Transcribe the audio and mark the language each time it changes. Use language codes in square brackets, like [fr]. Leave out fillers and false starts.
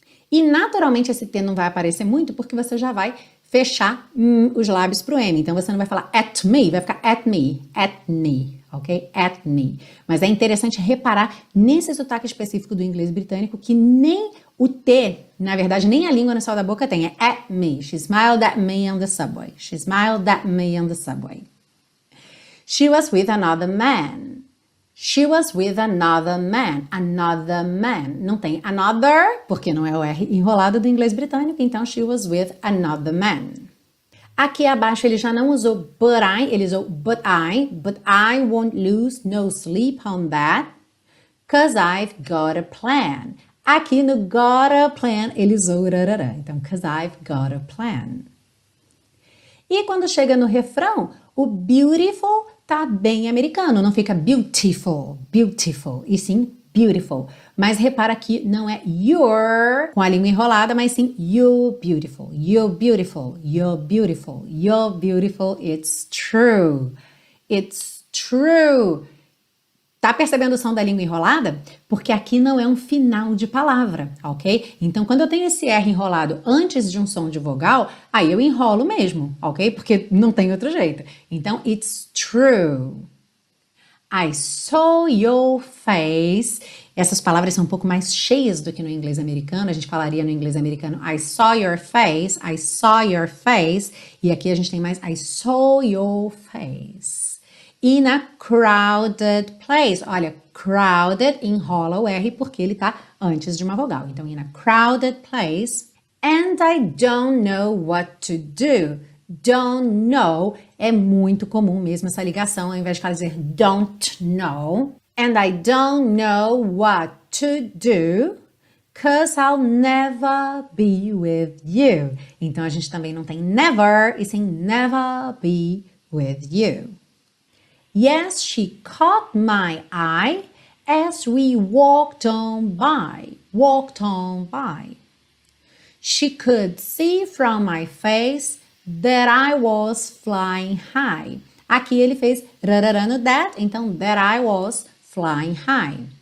[pt] E naturalmente esse T não vai aparecer muito porque você já vai fechar os lábios pro M. Então você não vai falar at me, vai ficar at me, ok? At me. Mas é interessante reparar nesse sotaque específico do inglês britânico que nem o T, na verdade, nem a língua no céu da boca tem. É at me. [en] She smiled at me on the subway. She smiled at me on the subway. She was with another man. She was with another man. Another man. [pt] Não tem another, porque não é o R enrolado do inglês britânico. Então, [en] she was with another man. [pt] Aqui abaixo ele já não usou [en] but I, ele usou but I won't lose no sleep on that, 'cause I've got a plan. [pt] Aqui no got a plan ele usou rarara, então [en] 'cause I've got a plan. [pt] E quando chega no refrão, o beautiful tá bem americano, não fica beautiful, beautiful, e sim beautiful. Mas repara que não é your com a língua enrolada, mas sim [en] you're beautiful, you're beautiful, you're beautiful, you're beautiful, it's true, it's true. [pt] Tá percebendo o som da língua enrolada? Porque aqui não é um final de palavra, ok? Então, quando eu tenho esse R enrolado antes de um som de vogal, aí eu enrolo mesmo, ok? Porque não tem outro jeito. Então, [en] it's true. I saw your face. [pt] Essas palavras são um pouco mais cheias do que no inglês americano. A gente falaria no inglês americano, I saw your face, I saw your face. E aqui a gente tem mais, [en] I saw your face. In a crowded place. [pt] Olha, crowded enrola o R porque ele tá antes de uma vogal. [en] Então, in a crowded place. And I don't know what to do. [pt] Don't know, é muito comum mesmo essa ligação, ao invés de fazer don't know. [en] And I don't know what to do, 'cause I'll never be with you. [pt] Então a gente também não tem never, e sim [en] never be with you. Yes, she caught my eye as we walked on by, walked on by. She could see from my face that I was flying high. [pt] Aqui ele fez rarara no that, então [en] that I was flying high.